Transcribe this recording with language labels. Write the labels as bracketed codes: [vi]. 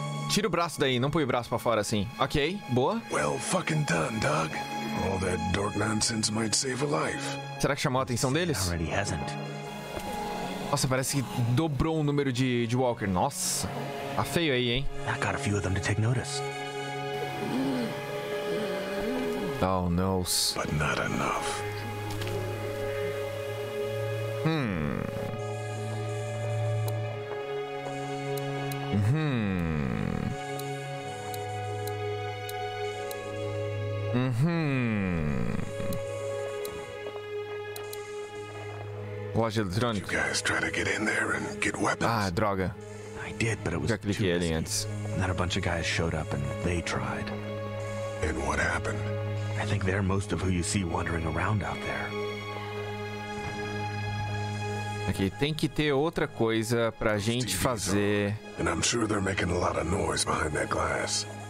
[pt] Tira o braço daí, não põe o braço pra fora assim. Ok, boa. [en] Well, fucking done, Doug. All that dark nonsense might save a life. [pt] Será que chamou a atenção deles? [en] Already hasn't. [pt] Nossa, parece que dobrou o número de Walker. Nossa. Tá feio aí, hein? [en] I got a few of them to take notice. Oh, no. But not enough. [pt] Loja eletrônica. [en] You guys try to get in there and get weapons. [pt] Ah, droga. [en] I did, but it was too busy. And then a bunch of guys showed up and they tried. And what happened? I think they're most of who you see wandering around out there. [pt] Aqui tem que ter outra coisa pra gente fazer. [en] And I'm sure they're making a lot of noise behind that glass.